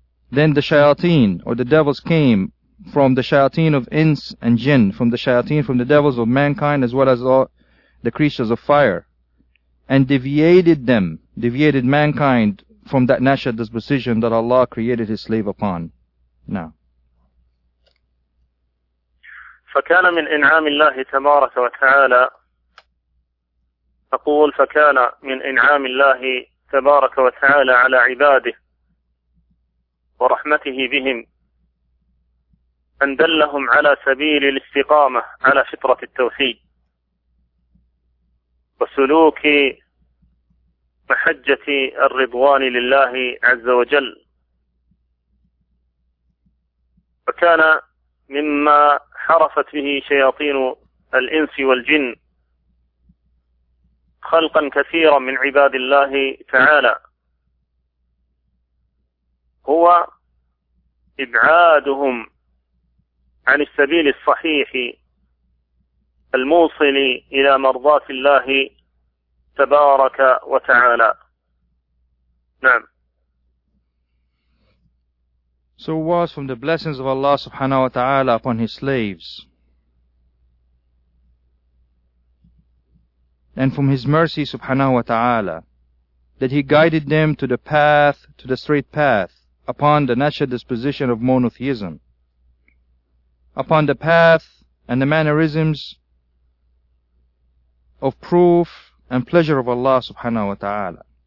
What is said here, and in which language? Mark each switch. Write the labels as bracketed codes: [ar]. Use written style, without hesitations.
[en] Then the shayateen or the devils came from the shayateen of ins and jinn, from the shayateen, from the devils of mankind as well as all the creatures of fire, and deviated mankind from that natural disposition that Allah created His slave upon. Now. [ar] فكان من إنعام الله تبارك وتعالى أقول فكان من إنعام الله تبارك وتعالى على عباده ورحمته بهم أن دلهم على سبيل الاستقامة على فطرة التوحيد وسلوك محجة الرضوان لله عز وجل. فكان مما حرفت به شياطين الإنس والجن خلقا كثيرا من عباد الله تعالى هو إبعادهم عن السبيل الصحيح الموصل إلى مرضاة الله تبارك وتعالى. نعم. [en] So was from the blessings of Allah subhanahu wa ta'ala upon his slaves, and from his mercy subhanahu wa ta'ala, that he guided them to the path, to the straight path, upon the natural disposition of monotheism, upon the path and the mannerisms of proof and pleasure of Allah subhanahu wa ta'ala.